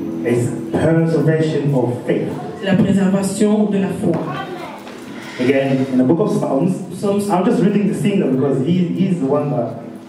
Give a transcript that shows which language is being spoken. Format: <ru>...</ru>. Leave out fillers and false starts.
<en>Is preservation of faith.</en> <fr>C'est la préservation de la foi.</fr> <en>Again, in the book of Psalms. Psalms. I'm just reading the singer because he's the one that.</en>